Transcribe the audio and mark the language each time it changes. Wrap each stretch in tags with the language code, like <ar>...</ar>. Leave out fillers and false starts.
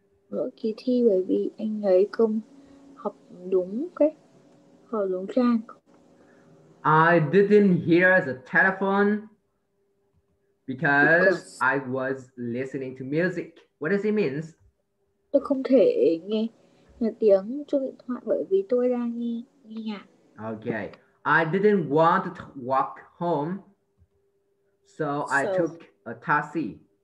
<vi>Đỗ kỳ thi bởi vì anh ấy không học đúng cách, học đúng trang.</vi> <en>I didn't hear the telephone because I was listening to music. What does it mean?</en> <vi>Tôi không thể nghe tiếng chuông điện thoại bởi vì tôi đang nghe nhạc.</vi> <en>Okay. I didn't want to walk home, so I took a taxi.</en>